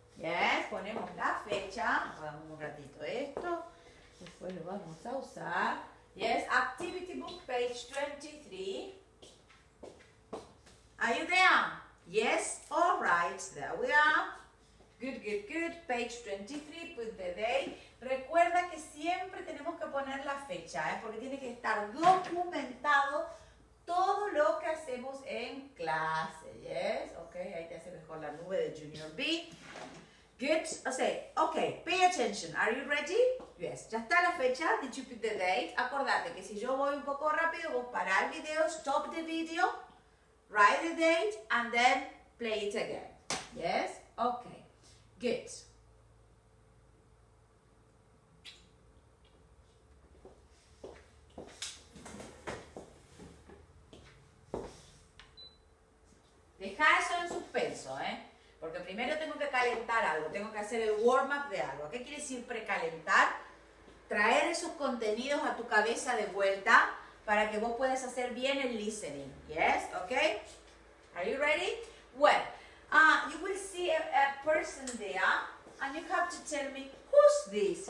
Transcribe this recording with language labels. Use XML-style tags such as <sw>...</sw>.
<es>yes, ponemos la fecha, vamos un ratito esto, después lo vamos a usar, yes,</es> <en>activity book, page 23, are you there? Yes, all right, there we are, good, good, good, page 23, put the date.</en> <es>Recuerda que siempre tenemos que poner la fecha, ¿eh? Porque tiene que estar documentado todo lo que hacemos en clase, ¿yes? Ok, ahí te hace mejor la nube de Junior B.</es> <en>Good, o sea, ok, pay attention, are you ready? Yes,</en> <es>ya está la fecha,</es> <en>did you pick the date?</en> <es>Acordate que si yo voy un poco rápido, vos pará el video,</es> <en>stop the video, write the date, and then play it again, ¿yes? Ok, good.</en> <es>Deja eso en suspenso, ¿eh? Porque primero tengo que calentar algo, tengo que hacer el warm-up de algo. ¿Qué quiere decir precalentar? Traer esos contenidos a tu cabeza de vuelta para que vos puedas hacer bien el listening.</es> <en>¿Yes? ¿Ok? Are you ready? Well, you will see a person there and you have to tell me, who's this?</en>